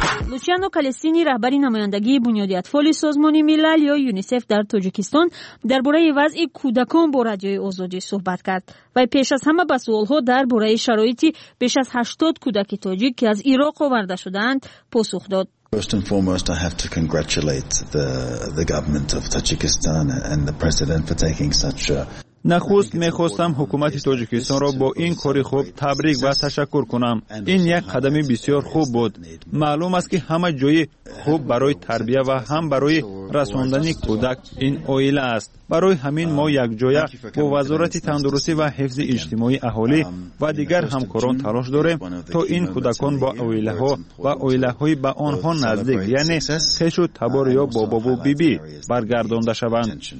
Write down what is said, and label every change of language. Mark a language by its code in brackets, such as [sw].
[fa] لوچیانو کالستینی رهبری نمایندگی بنیاد اطفال سازمان ملل یا یونیسف در تاجیکستان درباره وضع کودکان با رادیوی آزادی صحبت کرد و پیش از همه به سوال‌ها درباره شرایط بیش از 80 کودک تاجیک که از عراق آورده شده‌اند پاسخ داد. [en] First and foremost, I have to congratulate the government of Tajikistan and the president for taking such a [fa] نخست می‌خواستم حکومت تاجیکستان را با این کار خوب تبریک و تشکر کنم. این یک قدم بسیار خوب بود. معلوم است که همه جای خوب برای تربیت و هم برای رساندن کودک این اویل است. برای همین ما یک جای با وزارت تندرستی و حفظ اجتماعی اهالی و دیگر همکاران تلاش داریم تا این کودکان با اویله‌ها و اویله‌های با آنها نزدیک یعنی خش و تبار یا بابا و بیبی برگردانده شوند.